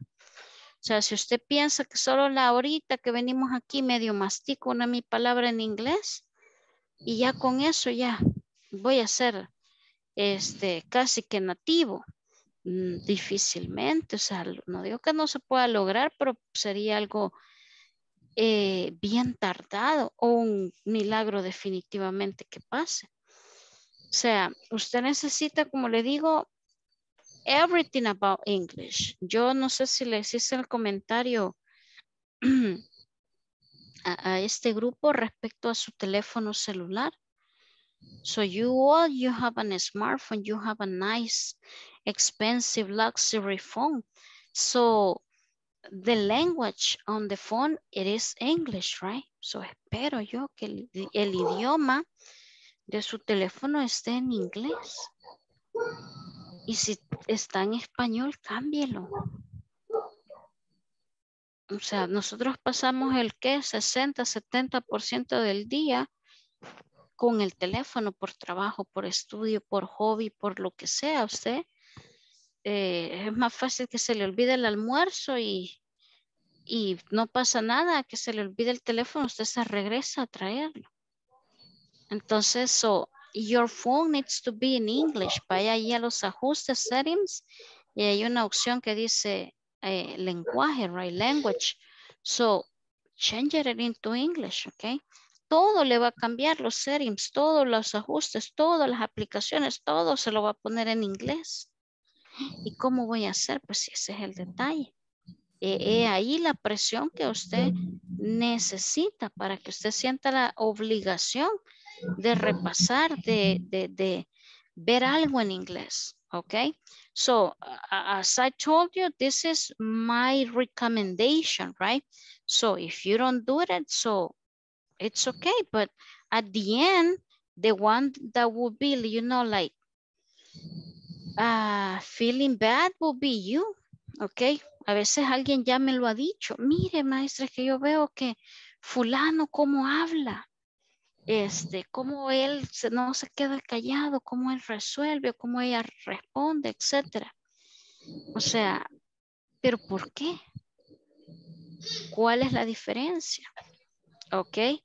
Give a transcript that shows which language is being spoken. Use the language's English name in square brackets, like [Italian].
[Spanish] O sea, si usted piensa que solo la horita que venimos aquí medio mastico una mi palabra en inglés y ya con eso ya voy a ser casi que nativo, difícilmente, o sea, no digo que no se pueda lograr, pero sería algo bien tardado o un milagro definitivamente que pase. O sea, usted necesita, como le digo, [English] everything about English. [Spanish] Yo no sé si les hice el comentario a este grupo respecto a su teléfono celular. [English] So you have a smartphone, you have a nice, expensive, luxury phone. So the language on the phone, it is English, right? [Spanish] So espero yo que el idioma de su teléfono esté en inglés. Y si está en español, cámbielo. O sea, nosotros pasamos el ¿qué? 60-70% del día con el teléfono, por trabajo, por estudio, por hobby, por lo que sea. Usted, es más fácil que se le olvide el almuerzo y no pasa nada, que se le olvide el teléfono, usted se regresa a traerlo. Entonces, [English] so, your phone needs to be in English. [Spanish] Vaya ahí a los ajustes, settings, y hay una opción que dice lenguaje, right, language. [English] So, change it into English, okay? [Spanish] Todo le va a cambiar, los settings, todos los ajustes, todas las aplicaciones, todo se lo va a poner en inglés. ¿Y cómo voy a hacer? Pues ese es el detalle. Ahí la presión que usted necesita para que usted sienta la obligación de repasar, de ver algo en inglés. [English] Ok, so as I told you, this is my recommendation, right? So if you don't do it, so it's okay, but at the end, the one that would be, you know, like feeling bad will be you, okay? [Spanish] A veces alguien ya me lo ha dicho, mire maestra, que yo veo que fulano cómo habla, cómo él no se queda callado, cómo él resuelve, cómo ella responde, etcétera. O sea, pero ¿por qué? ¿Cuál es la diferencia? Ok.